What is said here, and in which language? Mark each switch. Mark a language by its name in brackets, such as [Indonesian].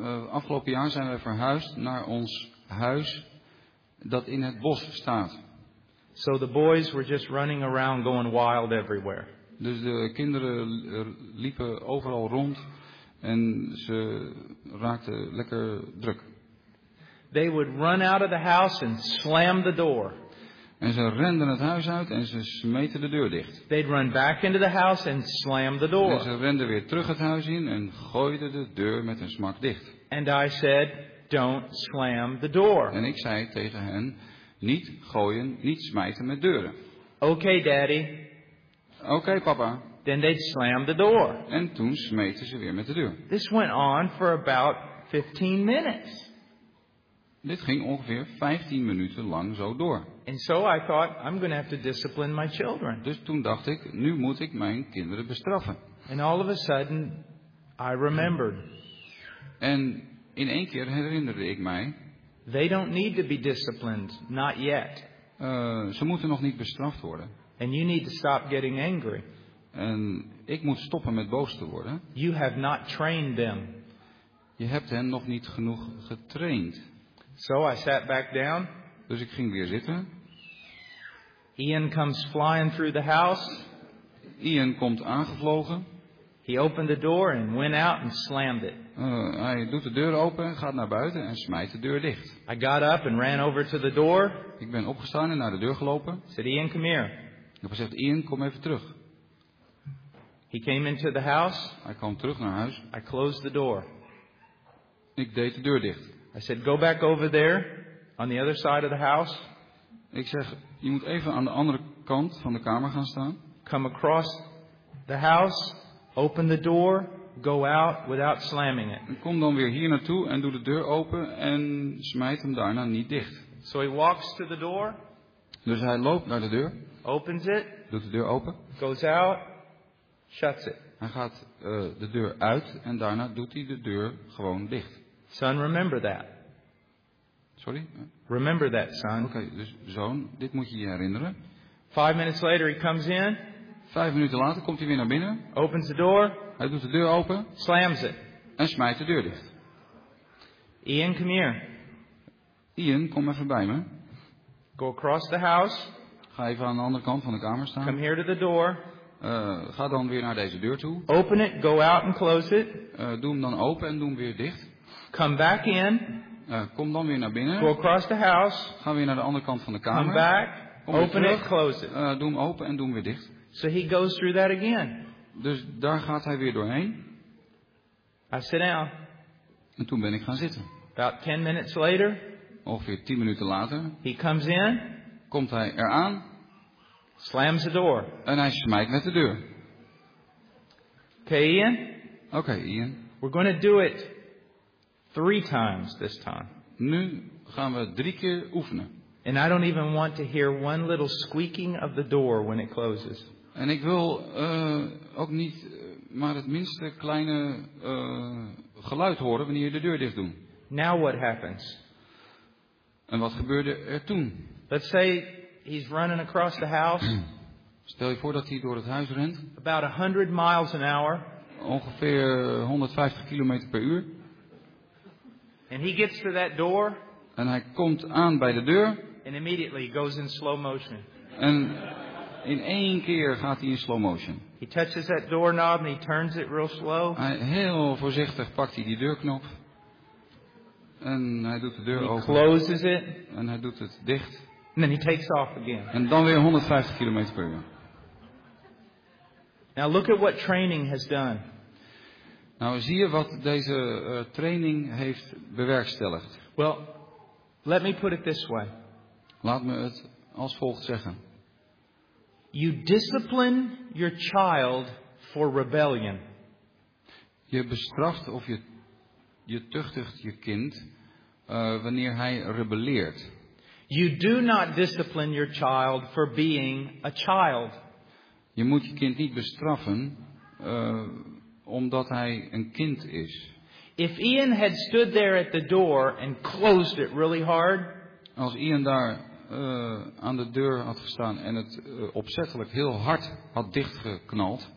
[Dutch] Afgelopen jaar zijn we verhuisd naar ons huis dat in het bos staat. [English] So the boys were just running around going wild everywhere. [Dutch] Dus de kinderen liepen overal rond en ze raakten lekker druk. [English] They would run out of the house and slam the door. [Dutch] En ze renden het huis uit en ze smeten de deur dicht. [English] They'd run back into the house and slam the door. [Dutch] En ze renden weer terug het huis in en gooiden de deur met een smak dicht. [English] And I said, don't slam the door. [Dutch] En ik zei tegen hen, niet gooien, niet smijten met deuren. [English] Okay, daddy. [Dutch] Okay, papa. [English] Then they'd slam the door. [Dutch] En toen smeten ze weer met de deur. [English] This went on for about 15 minutes. [Dutch] Dit ging ongeveer 15 minuten lang zo door. [English] And so I thought, I'm going to have to discipline my children. [Dutch] Dus toen dacht ik, nu moet ik mijn kinderen bestraffen. [English] And all of a sudden, I remembered. [Dutch] En in één keer herinnerde ik mij. [English] They don't need to be disciplined, not yet. [Dutch] Ze moeten nog niet bestraft worden. [English] And you need to stop getting angry. [Dutch] En ik moet stoppen met boos te worden. [English] You have not trained them. [Dutch] Je hebt hen nog niet genoeg getraind. [English] So I sat back down. [Dutch] Dus ik ging weer zitten. [English] Ian comes flying through the house. [Dutch] Ian komt aangevlogen. [English] He opened the door and went out and slammed it. [Dutch] Hij doet de deur open, gaat naar buiten en smijt de deur dicht. [English] I got up and ran over to the door. [Dutch] Ik ben opgestaan en naar de deur gelopen. [English] Said Ian, come here. [Dutch] Ik heb gezegd, Ian, kom even terug. [English] He came into the house. [Dutch] Hij kwam terug naar huis. [English] I closed the door. [Dutch] Ik deed de deur dicht. [English] I said, go back over there on the other side of the house. [Dutch] Ik zeg, je moet even aan de andere kant van de kamer gaan staan. [English] Come across the house, open the door, go out without slamming it. [Dutch] En kom dan weer hier naartoe en doe de deur open en smijt hem daarna niet dicht. [English] So he walks to the door. [Dutch] Dus hij loopt naar de deur. [English] Opens it. [Dutch] Doet de deur open. [English] Goes out. Shuts it. [Dutch] Hij gaat de deur uit en daarna doet hij de deur gewoon dicht. [English] Son, remember that. Sorry? Remember that, son. [Dutch] Okay, dus zoon, dit moet je herinneren. [English] 5 minutes later he comes in. [Dutch] 5 minuten later komt hij weer naar binnen. [English] Opens the door. [Dutch] Hij doet de deur open. [English] Slams it. [Dutch] En smijt de deur dicht. [English] Ian, come here. [Dutch] Ian, kom even bij me. [English] Go across the house. [Dutch] Ga even aan de andere kant van de kamer staan. [English] Come here to the door. [Dutch] Ga dan weer naar deze deur toe. [English] Open it, go out and close it. [Dutch] Doe hem dan open en doe hem weer dicht. [English] Come back in. [Dutch] Kom dan weer naar binnen. [English] Go across the house. [Dutch] Ga weer naar de andere kant van de kamer. [English] Come back. Kom open it, close it. [Dutch] Doe hem open en doe hem weer dicht. [English] So he goes through that again. [Dutch] Dus daar gaat hij weer doorheen. [English] I sit down. [Dutch] En toen ben ik gaan zitten. [English] About 10 minutes later. [Dutch] Ongeveer 10 minuten later. [English] He comes in. [Dutch] Komt hij eraan. [English] Slams the door. [Dutch] En hij smijt met de deur. [English] Okay, Ian. [Dutch] Okay, Ian. [English] We're going to do it 3 times this time. [Dutch] Nu gaan we 3 keer oefenen. [English] And I don't even want to hear one little squeaking of the door when it closes. [Dutch] En ik wil ook niet maar het minste kleine geluid horen wanneer je de deur dicht doet. [English] Now what happens? [Dutch] En wat gebeurde er toen? [English] Let's say he's running across the house. [Dutch] Stel je voor dat hij door het huis rent. [English] About 100 miles an hour. [Dutch] Ongeveer 150 kilometer per uur. [English] And he gets to that door. [Dutch] En hij komt aan bij de deur. [English] And immediately goes in slow motion. [Dutch] En in één keer gaat hij in slow motion. [English] He touches that doorknob and he turns it real slow. [Dutch] Hij heel voorzichtig pakt hij die deurknop. En hij doet de deur open. [English] He closes it. [Dutch] En hij doet het dicht. [English] And then he takes off again. [Dutch] En dan weer 150 kilometer per uur. [English] Now look at what training has done. [Dutch] Nou zie je wat deze training heeft bewerkstelligd. [English] Well, let me put it this way. [Dutch] Laat me het als volgt zeggen. [English] You discipline your child for rebellion. [Dutch] Je bestraft of je tuchtigt je kind wanneer hij rebelleert. [English] You do not discipline your child for being a child. [Dutch] Je moet je kind niet bestraffen omdat hij een kind is. [English] If Ian had stood there at the door and closed it really hard. [Dutch] Als Ian daar aan de deur had gestaan en het opzettelijk heel hard had dichtgeknald.